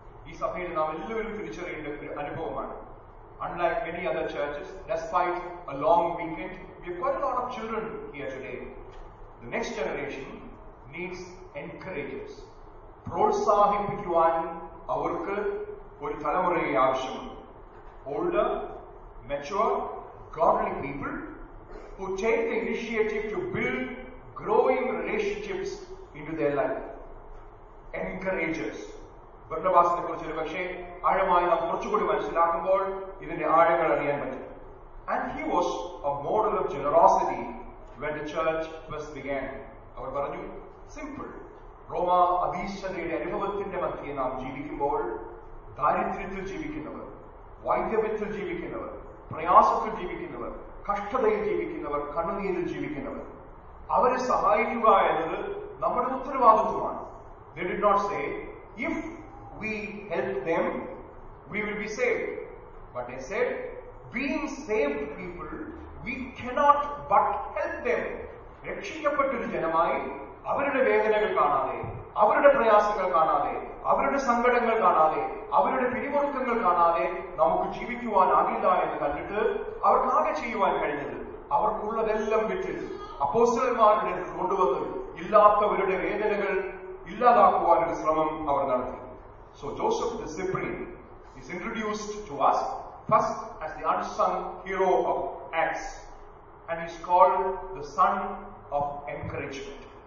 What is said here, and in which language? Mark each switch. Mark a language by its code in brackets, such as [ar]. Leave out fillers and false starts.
[ml] ഈ സഭയിൽ നാം എല്ലാവരും തിരിച്ചറിയേണ്ട ഒരു അനുഭവമാണ്. [en] Unlike many other churches, despite a long weekend, we have quite a lot of children here today. The next generation needs encouragers. [ml] പ്രോത്സാഹിപ്പിക്കുവാൻ അവർക്ക് ഒരു തലമുറയെ ആവശ്യമാണ്. [en] Older, mature, godly people who take the initiative to build growing relationships into their life. Encouragers. [ml] ബർണബാസിനെ കുറിച്ച് ഒരു പക്ഷേ ആഴമായി നാം കുറച്ചുകൂടി മനസ്സിലാക്കുമ്പോൾ ഇതിന്റെ ആഴങ്ങൾ അറിയാൻ പറ്റും. [en] And he was a model of generosity when the church first began. [ml] അവർ പറഞ്ഞു, simple. റോമ അഭീഷണയുടെ അനുഭവത്തിന്റെ മധ്യേ നാം ജീവിക്കുമ്പോൾ ദാരിദ്ര്യത്തിൽ ജീവിക്കുന്നവർ, വൈധവ്യത്തിൽ ജീവിക്കുന്നവർ, പ്രയാസത്തിൽ ജീവിക്കുന്നവർ, കഷ്ടതയിൽ ജീവിക്കുന്നവർ, കണ്ണുനീരിൽ ജീവിക്കുന്നവർ, അവരെ സഹായിക്കുക എന്നത് നമ്മുടെ ഉത്തരവാദിത്വമാണ്. [en] They did not say, if we help them, we will be saved. But they said, being saved people, we cannot but help them. [ml] രക്ഷിക്കപ്പെട്ടൊരു ജനമായി അവരുടെ വേദനകൾ കാണാതെ, അവരുടെ പ്രയാസങ്ങൾ കാണാതെ, അവരുടെ സങ്കടങ്ങൾ കാണാതെ, അവരുടെ പിരിമുറുക്കങ്ങൾ കാണാതെ നമുക്ക് ജീവിക്കുവാനാകില്ല എന്ന് കണ്ടിട്ട് അവർക്കാകെ ചെയ്യുവാൻ കഴിഞ്ഞത് അവർക്കുള്ളതെല്ലാം വിറ്റ് അപ്പോസ്തലന്മാരുടെ കൊണ്ടുവന്ന് ഇല്ലാത്തവരുടെ വേദനകൾ ഇല്ലാതാക്കുവാനൊരു ശ്രമം അവർ നടത്തി. [en] So Joseph the Cyprian is introduced to us first as the unsung hero of Acts, and he's called the son of encouragement.